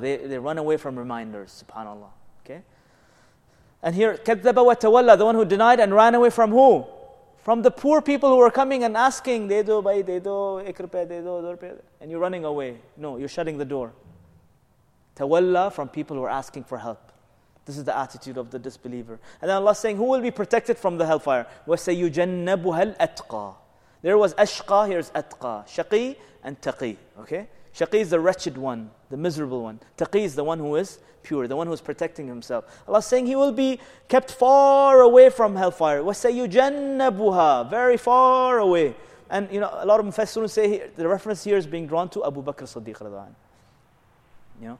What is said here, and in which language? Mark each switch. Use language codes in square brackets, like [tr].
[en] They run away from reminders. SubhanAllah. Okay? And here, [ar] كَذَّبَ وَتَوَلَّى [en] The one who denied and ran away from who? From the poor people who are coming and asking, دَيْدُوا بَيْ دَيْدُوا إِكْرِبَيْ دَيْدُوا دَرْبَيْ And you're running away. No, you're shutting the door. تَوَلَّى from people who are asking for help. This is the attitude of the disbeliever. And then Allah is saying, who will be protected from the hellfire? [ar] وَسَيُجَنَّبُهَا الْأَتْقَى [en] There was [ar] أَشْقَى, [en] here's [ar] أَتْقَى. شَقِي and تَقِي. [en] Okay? Shaqi is the wretched one, the miserable one. Taqi is the one who is pure, the one who is protecting himself. Allah is saying he will be kept far away from hellfire. وَسَيُجَنَّبُهَا Very far away. And you know, a lot of mufassirun say the reference here is being drawn to Abu Bakr Siddiq radhiyallahu anhu.